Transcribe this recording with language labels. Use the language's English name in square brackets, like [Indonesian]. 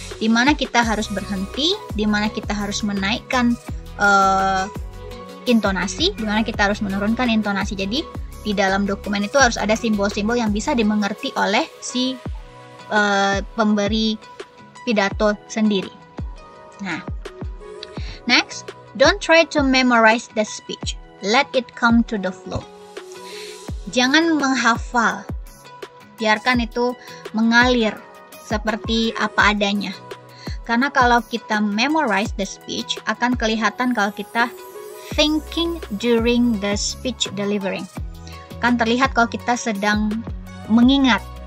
[Indonesian] Di mana kita harus berhenti, di mana kita harus menaikkan intonasi, di mana kita harus menurunkan intonasi. Jadi di dalam dokumen itu harus ada simbol-simbol yang bisa dimengerti oleh si pemberi pidato sendiri. [English] Nah, next, don't try to memorize the speech. Let it come to the flow. [Indonesian] Jangan menghafal. Biarkan itu mengalir seperti apa adanya. Karena kalau kita [English] memorize the speech, [Indonesian] akan kelihatan kalau kita [English] thinking during the speech delivering. [Indonesian] Akan terlihat kalau kita sedang mengingat.